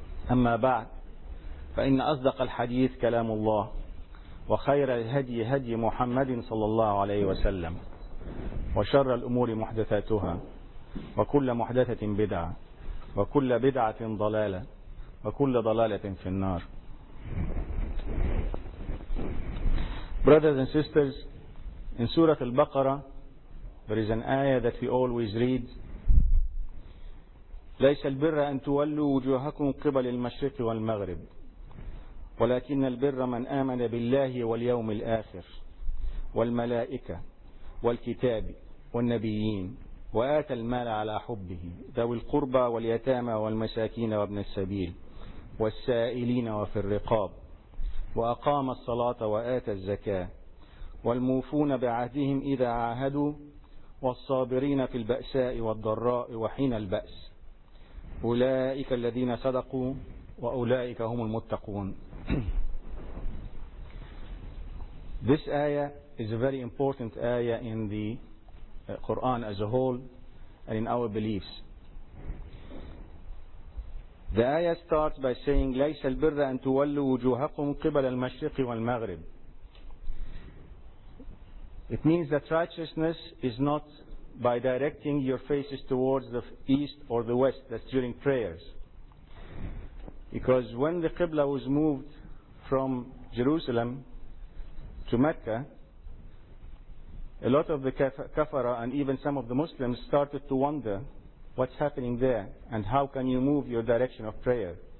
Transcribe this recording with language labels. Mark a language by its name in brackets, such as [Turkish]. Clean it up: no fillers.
[Arabic] أما بعد، فإن أصدق الحديث كلام الله، وخير الهدي هدي محمد صلى الله عليه وسلم، وشر الأمور محدثاتها، وكل محدثة بدعة، وكل بدعة ضلالة، وكل ضلالة في النار. [English] Brothers and sisters, in Surah Al-Baqarah, there is an ayah that we always read. [Arabic] ليس البر أن تولوا وجوهكم قبل المشرق والمغرب ولكن البر من آمن بالله واليوم الآخر والملائكة والكتاب والنبيين وآتى المال على حبه ذوي القربى واليتامى والمساكين وابن السبيل والسائلين وفي الرقاب وأقام الصلاة وآتى الزكاة والموفون بعهدهم إذا عاهدوا والصابرين في البأساء والضراء وحين البأس أولئك الذين صدقوا وأولئك هم المتقون. [English] This ayah is a very important ayah in the Quran as a whole and in our beliefs. The ayah starts by saying [Arabic] ليس البر أن تولوا وجوهكم قبل المشرق والمغرب. [English] It means that righteousness is not by directing your faces towards the east or the west, that's during prayers. Because when the Qibla was moved from Jerusalem to Mecca, a lot of the Kafara and even some of the Muslims started to wonder what's happening there and how can you move your direction of prayer.